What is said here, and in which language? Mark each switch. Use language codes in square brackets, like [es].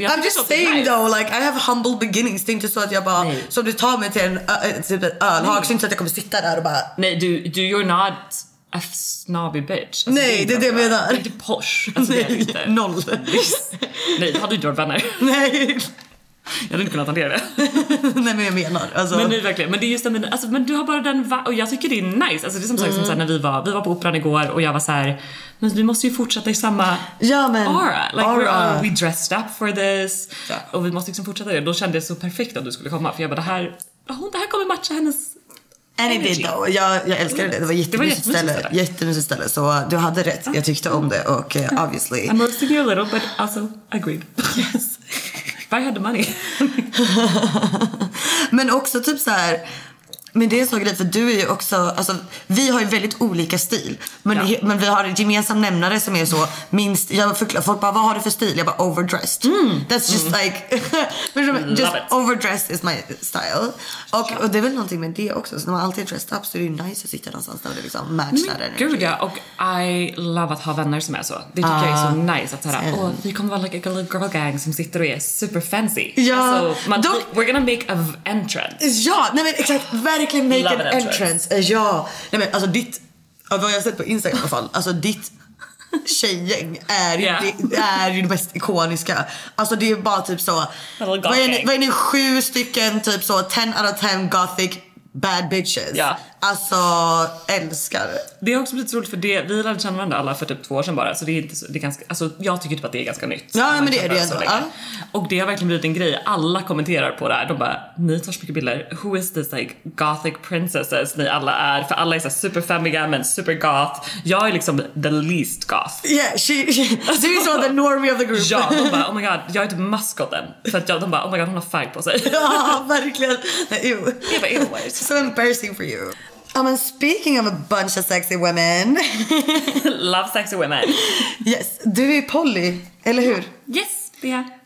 [en] I'm just saying though, like I have humble beginnings. [sv] Det är inte så att jag bara, som du tar mig till en typ örlag, så inte att jag kommer sitta där och bara. Nej, du, [en] you're not a snobby bitch. [sv] Alltså, nej, det är det jag menar. Det är inte posh. Alltså, nej, det noll. Nej, det hade du inte varit vänner. Nej. Jag hade inte kunnat hantera det. Nej, men jag menar. Alltså. Men det är verkligen. Men det är just det. Men, alltså, men du har bara den. Och jag tycker det är nice. Alltså, det är som sagt, som så här, när vi var på operan igår och jag var så här. Men vi måste ju fortsätta i samma aura. Like aura. [en] We dressed up for this. [sv] Ja. Och vi måste liksom fortsätta det. Då kände jag så perfekt att du skulle komma. För jag bara, det här kommer matcha hennes. [en] Any bit though. [sv] Jag älskar det. Det var jättemysigt ställe. Jättemysigt ställe. Så du hade rätt. Jag tyckte om det. Och obviously [en] I'm roasting you a little, but also agreed. Yes. If I had the money. [sv] Men också typ så här. Men det är så grej, för du är ju också, alltså vi har ju väldigt olika stil, men, ja, men vi har en gemensam nämnare som är så minst, jag förklarar, folk bara, vad har du för stil? Jag bara, overdressed. [en] That's just like just overdressed is my style. [sv] Och det är väl någonting med det också. Så när man alltid är dressed up så är det ju nice att sitta någonstans där det liksom matchar energy. Gud ja, och [en] I love [sv] att ha vänner som är så. Det tycker jag är så nice att höra. Och vi kommer vara [en] like a little girl gang [sv] som sitter och är [en] super fancy. [sv] Ja, alltså, [en] man, we're gonna make an entrance. [sv] Ja, nej men exakt, verkligen [en] make an entrance. [sv] Ja. Nej men alltså ditt, vad jag har sett på Instagram i alla fall, alltså ditt tjejgäng är ju det mest ikoniska. Alltså det är bara typ så, vad är ni, 7 stycken typ så [en] 10 out of 10 gothic bad bitches. [sv] Ja. Alltså älskar. Det har också blivit så roligt, för det vi lärde känna varandra alla för typ 2 år sedan bara, så det är inte så, det är ganska, alltså jag tycker typ att det är ganska nytt. Ja, men det är det. Och det har verkligen blivit en grej. Alla kommenterar på det här. De bara, ni tar så mycket bilder. [en] Who is this like gothic princesses [sv] ni alla är? För alla är så super femiga men super goth. Jag är liksom [en] the least goth. Yeah, she is the normie of the group. [sv] Ja, de bara, oh my god, jag är typ maskoten. För att de bara, oh my god, hon har färg på sig. Ja, verkligen. Nej, det var anyways. [en] So embarrassing for you. I mean, speaking of a bunch of sexy women. Love sexy women. [sv] Yes, du är poly, eller hur? Yes, det är.